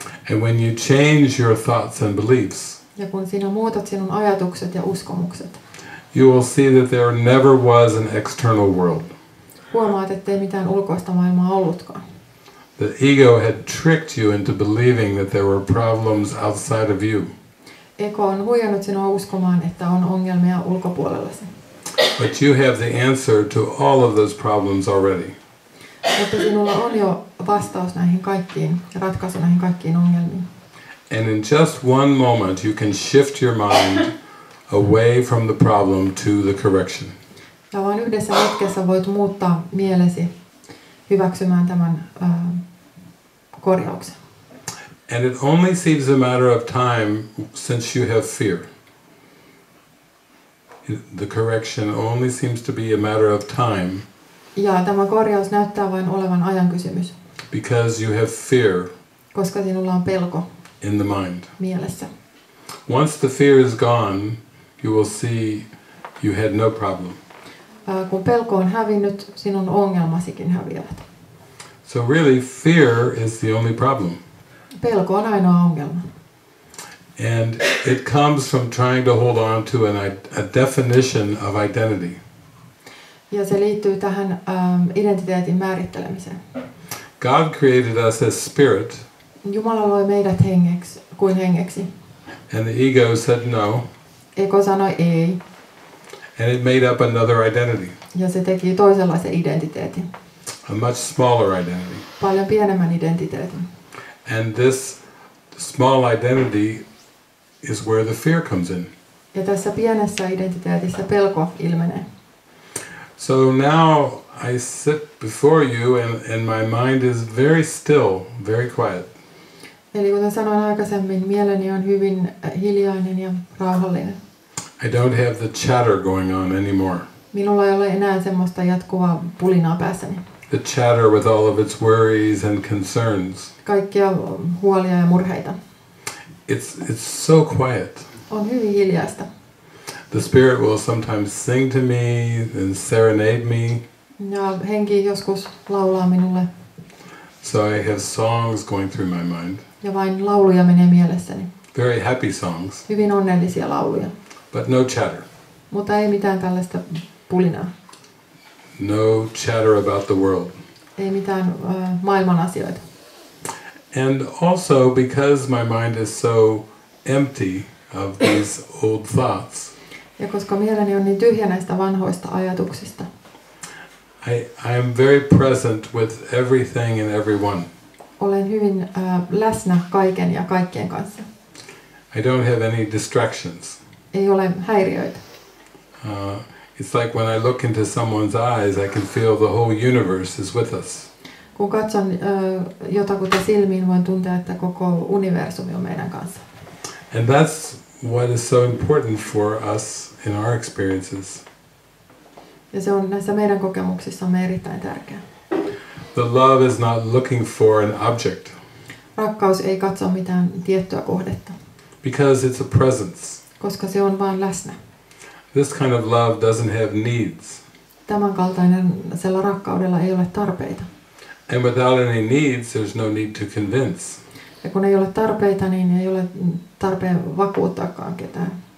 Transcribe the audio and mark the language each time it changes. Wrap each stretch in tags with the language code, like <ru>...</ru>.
<en>And when you change your thoughts and beliefs,</en> <fi>ja kun sinä muutat sinun ajatukset ja uskomukset,</fi> <en>you will see that there never was an external world.</en> <fi>Huomaat, ettei mitään ulkoista maailmaa ollutkaan.</fi> <en>The ego had tricked you into believing that there were problems outside of you.</en> <fi>Ego on huijannut sinua uskomaan, että on ongelmia ulkopuolellasi.</fi> <en>But you have the answer to all of those problems already.</en> <fi>Mutta sinulla on jo vastaus näihin kaikkiin ja ratkaisu näihin kaikkiin ongelmiin.</fi> <en>And in just one moment you can shift your mind away from the problem to the correction.</en> <fi>Ja vain yhdessä hetkessä voit muuttaa mielesi hyväksymään tämän korjauksen.</fi> <en>And it only seems a matter of time since you have fear. The correction only seems to be a matter of time.</en> <fi>Ja tämä korjaus näyttää vain olevan ajan kysymys.</fi> <en>Because you have fear.</en> <fi>Koska sinulla on pelko.</fi> <en>In the mind.</en> <fi>Mielessä.</fi> <en>Once the fear is gone, you will see you had no problem.</en> <fi>Kun pelko on hävinnyt, sinun ongelmasikin häviävät.</fi> <en>So really, fear is the only problem.</en> <fi>Pelko on ainoa ongelma.</fi> <en>And it comes from trying to hold on to a definition of identity.</en> <fi>Ja se liittyy tähän identiteetin määrittelemiseen.</fi> <en>God created us as spirit.</en> <fi>Jumala loi meidät hengeksi, kuin hengeksi.</fi> <en>And the ego said no.</en> <fi>Ego sanoi ei.</fi> <en>And it made up another identity.</en> <fi>Ja se teki toisenlaisen identiteetin.</fi> <en>A much smaller identity.</en> <fi>Paljon pienemmän identiteetin.</fi> <en>And this small identity is where the fear comes in.</en> <fi>Ja tässä pienessä identiteetissä pelko ilmenee.</fi> <en>So now I sit before you and my mind is very still, very quiet.</en> <fi>Eli kuten sanoin aikaisemmin, mieleni on hyvin hiljainen ja rauhallinen.</fi> <en>I don't have the chatter going on anymore.</en> <fi>Minulla ei ole enää semmoista jatkuvaa pulinaa päässäni.</fi> <en>The chatter with all of its worries and concerns.</en> <fi>Kaikkia huolia ja murheita.</fi> <en>It's so quiet.</en> <fi>On hyvin hiljaista.</fi> <en>The spirit will sometimes sing to me and serenade me.</en> <fi>Ja henki joskus laulaa minulle.</fi> <en>So I have songs going through my mind.</en> <fi>Ja vain lauluja menee mielessäni.</fi> <en>Very happy songs.</en> <fi>Hyvin onnellisia lauluja.</fi> <en>But no chatter.</en> <fi>Mutta ei mitään tällaista pulinaa.</fi> <en>No chatter about the world.</en> <fi>Ei mitään maailman asioita.</fi> <en>And also because my mind is so empty of these old thoughts.</en> <fi>Ja koska mieleni on niin tyhjä näistä vanhoista ajatuksista.</fi> <en>I am very present with everything and everyone.</en> <fi>Olen hyvin läsnä kaiken ja kaikkien kanssa.</fi> <en>I don't have any distractions.</en> <fi>Ei ole häiriöitä.</fi> <en>It's like when I look into someone's eyes, I can feel the whole universe is with us.</en> <fi>Kun katson jotakuta silmiin, voin tuntea, että koko universumi on meidän kanssa.</fi> <en>And that's what is so important for us in our experiences.</en> <fi>Ja se on näissä meidän kokemuksissamme erittäin tärkeä.</fi> <en>The love is not looking for an object.</en> <fi>Rakkaus ei katso mitään tiettyä kohdetta.</fi> <en>Because it's a presence.</en> <fi>Koska se on vain läsnä.</fi> <en>This kind of love doesn't have needs.</en> <fi>Tämänkaltainen sellä rakkaudella ei ole tarpeita.</fi> <en>And without any needs, there's no need to convince.</en> <fi>Ja kun ei ole tarpeita, niin ei ole tarpeen vakuuttaakaan ketään.</fi>